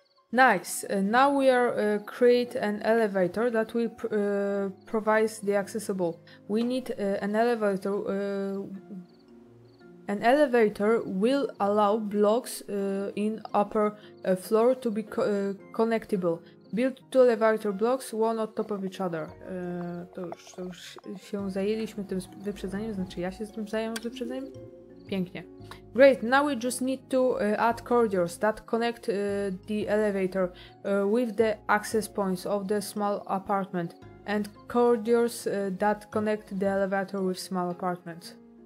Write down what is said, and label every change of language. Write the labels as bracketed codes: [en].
[en] Nice. Now we are create an elevator that will provide the accessible. We need an elevator An elevator will allow blocks in upper floor to be connectable. Build two elevator blocks, one on top of each other. [pl] To już się zajęliśmy tym wyprzedzeniem, znaczy ja się z tym zajęłam z wyprzedzeniem. Pięknie. [en] Great, now we just need to add corridors that connect the elevator with the access points of the small apartment and corridors that connect the elevator with small apartment.